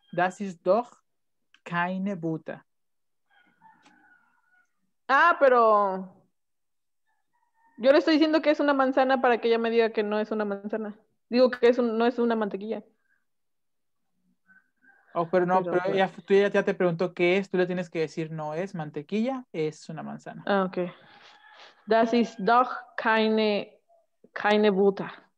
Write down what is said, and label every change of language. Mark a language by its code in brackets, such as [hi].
[de] Das ist doch keine Butter. [es] Ah, pero yo le estoy diciendo que es una manzana para que ella me diga que no es una manzana. Digo que no es una mantequilla. Oh, pero no, pero ya, tú ya te preguntó qué es, tú le tienes que decir no es mantequilla, es una manzana. Ok. [de] Das ist doch keine Butter.